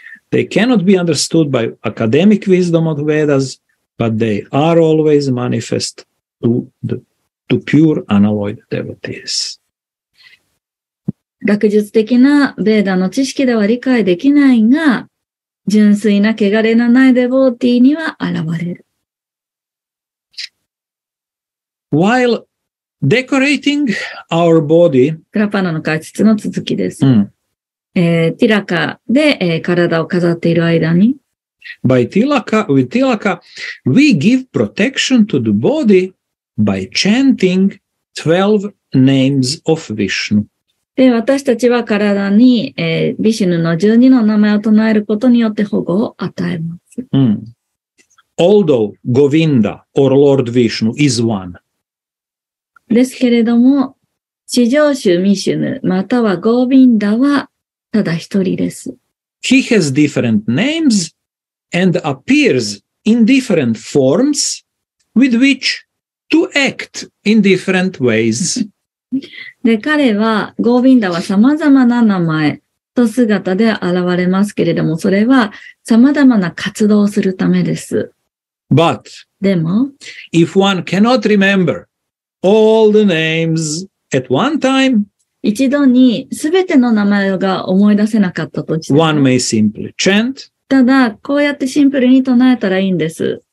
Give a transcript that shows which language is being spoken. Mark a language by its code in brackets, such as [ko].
[en] They cannot be understood by academic wisdom of Vedas, but they are always manifest to pure unalloyed devotees. [ja] 学術的なベーダの知識では理解できないが、純粋な汚れのないデボーティーには現れる。 [en] While decorating our body, [ja] クラパナの解説の続きです。うんティラカで、体を飾っている間に。 [en] By tilaka, with tilaka, we give protection to the body by chanting 12 names of Vishnu. [ja] で、私たちは体に、ヴィシュヌの12の名前を唱えることによって保護を与えます。 [en] Although Govinda or Lord Vishnu is one. [ja] ですけれども、至上主ヴィシュヌまたはゴヴィンダはただ一人です。 [en] He has different names and appears in different forms with which to act in different ways. [ja] で、彼は、ゴービンダは様々な名前と姿で現れますけれども、それは様々な活動をするためです。 [en] But, [ja] でも、 [en] if one cannot remember all the names at one time, [ja] 一度にすべての名前が思い出せなかったとして。 [en] One may simply chant. [ja] ただ、こうやってシンプルに唱えたらいいんです。